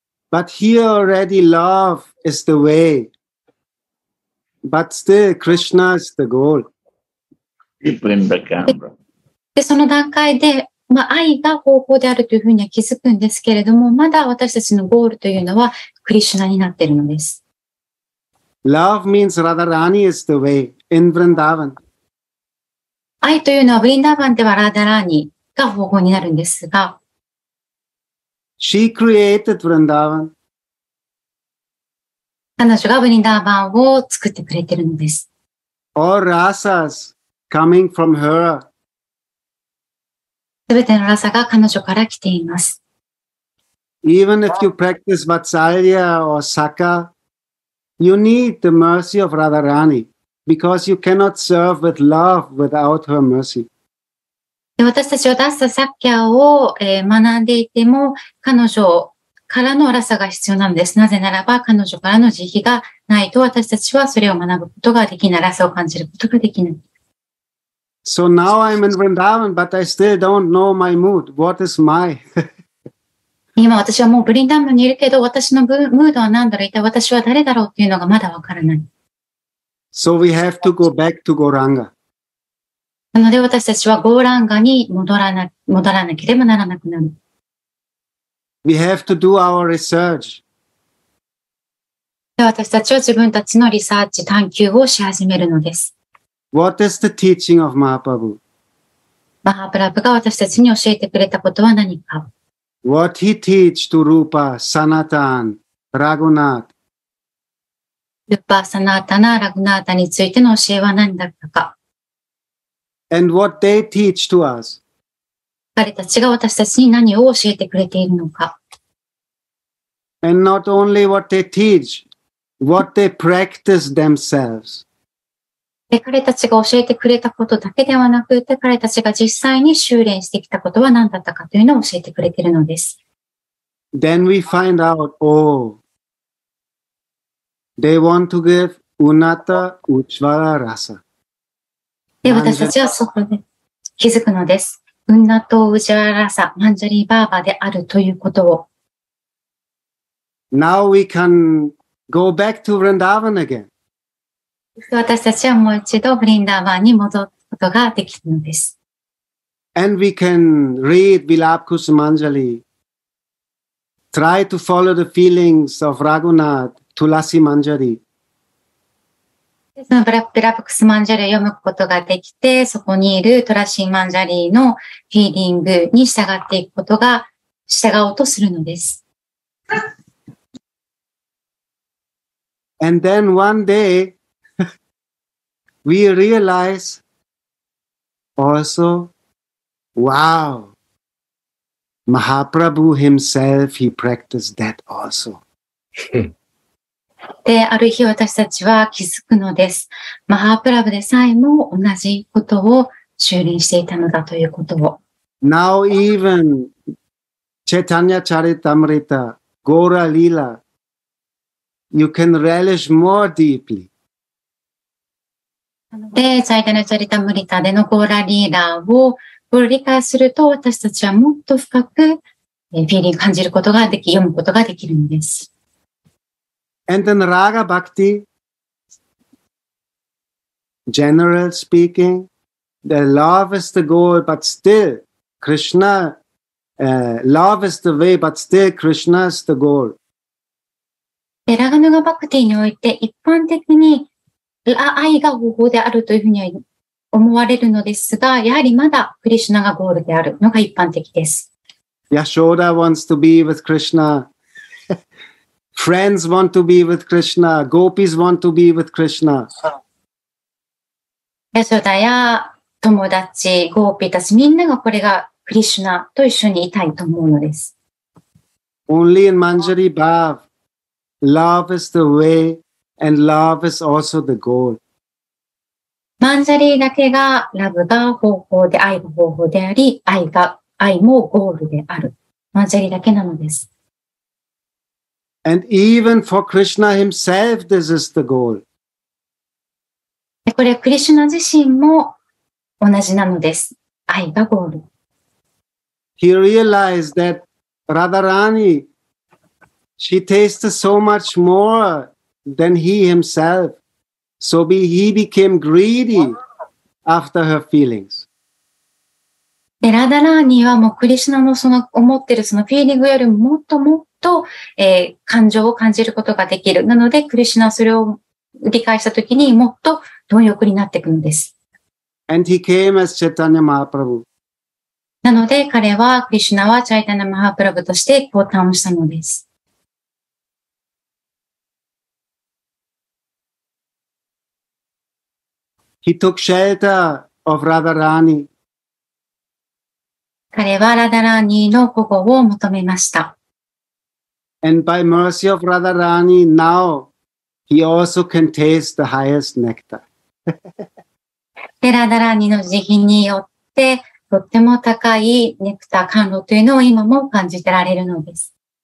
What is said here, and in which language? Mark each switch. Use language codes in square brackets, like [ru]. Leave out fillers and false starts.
[en] But here already love is the way. But still Krishna is the goal. Keep in the camera. [ja] で、その段階で、まあ、愛が方法であるというふうには気づくんですけれども、まだ私たちのゴールというのは、クリシュナになっているのです。 [en] Love means Radharani is the way in Vrindavan. [ja] 愛というのは、ブリンダーバンではラダラーニが方法になるんですが、 [en] She created Vrindavan. [ja] 彼女がブリンダーバンを作ってくれているのです。 [en] All rasas coming from her. [ja] すべてのラサが彼女から来ています。 [en] Even if you practice Vatsalya or Sakha, you need the mercy of Radharani because you cannot serve with love without her mercy. [ja] 私たちはダッサ・サッキャを学んでいても、彼女からのラサが必要なんです。なぜならば彼女からの慈悲がないと私たちはそれを学ぶことができない、ラサを感じることができない。 [en] So now I'm in Vrindavan, but I still don't know my mood. What is my? [ja] 今私はもうブリンダーバンにいるけど、私のムードは何だろう、一体私は誰だろうっていうのがまだわからない。 [en] So we have to go back to Gauranga. [ja] なので私たちはゴーランガに戻らなければならなくなる。 [en] We have to do our research. [ja] で、私たちは自分たちのリサーチ、探求をし始めるのです。 [en] What is the teaching of Mahaprabhu? [ja] Mahaprabhu が私たちに教えてくれたことは何か? [en] What he teach to Rupa, Sanatan, Raghunath? [ja] Rupa, Sanatana, Raghunath についての教えは何だったか? [en] And what they teach to us? [ja] 彼たちが私たちに何を教えてくれているのか? [en] And not only what they teach, what they practice themselves. [ja] で、彼たちが教えてくれたことだけではなくて、彼たちが実際に修練してきたことは何だったかというのを教えてくれているのです。 [en] Then we find out, oh, they want to give Unata Ujjvala Rasa. [ja] で、私たちはそこで気づくのです。 Unata Ujjvala Rasa, Manjari Baba であるということを。 [en] Now we can go back to Vrindavan again. [ja] 私たちはもう一度ブリンダーバンに戻ることができるのです。 [en] And we can read Vilap Kusumanjali. Try to follow the feelings of Raghunath Tulasi Manjari. [ja] Vilap Kusumanjali を読むことができて、そこにいるトラシーマンジャリーのフィーリングに従っていくことが、従おうとするのです。 [en] And then one day,We realize also, wow, Mahaprabhu himself, he practiced that also. [ja] で、ある日私たちは気づくのです。マハプラブでさえも同じことを修練していたのだということを。 [en] Now even Chaitanya Charitamrita, Gaura Lila, you can relish more deeply. [ja] で、チャイタニャ・チャリタムリタでのゴーラリーラーを理解すると、私たちはもっと深くフィーリング感じることができ、読むことができるんです。 [en] And then Raga Bhakti, general speaking, the love is the goal, but still Krishna, love is the way, but still Krishna is the goal. [ja] で、ラガヌガ・バクティにおいて一般的に愛が方法であるというふうには思われるのですが、やはりまだクリシュナがゴールであるのが一般的です。 [en] Yashoda wants to be with Krishna. Friends want to be with Krishna. Gopis want to be with Krishna. [ja] Yashoda や友達、ゴーピーたちみんながこれがクリシュナと一緒にいたいと思うのです。 [en] Only in Manjari Bhav, love is the way. And love is also the goal. [ja] マンジャリーだけがラブが方法で、愛が方法であり、愛もゴールである。マンジャリーだけなのです。 [en] And even for Krishna himself, this is the goal. [ja] これはクリシュナ自身も同じなのです。愛がゴール。 [en] He realized that Radharani, she tasted so much more. Then he himself, so he became greedy after her feelings. [ja] で、ラダラーニーはもうクリシナのその思ってるそのフィーリングよりももっともっと、感情を感じることができる。なので、クリシナはそれを理解したときにもっと貪欲になっていくんです。 [en] And he came as Chaitanya Mahaprabhu. [ja] なので、彼は、クリシナはチャイタニャ・マハプラブとして降誕をしたのです。 [en] He took shelter of Radharani. [ja] 彼はラダラーニーの保護を求めました。 [en] And by mercy of Radharani, now he also can taste the highest nectar. [ja] でラダラーニーの慈悲によって、とっても高いネクター甘露というのを今も感じてられるのです。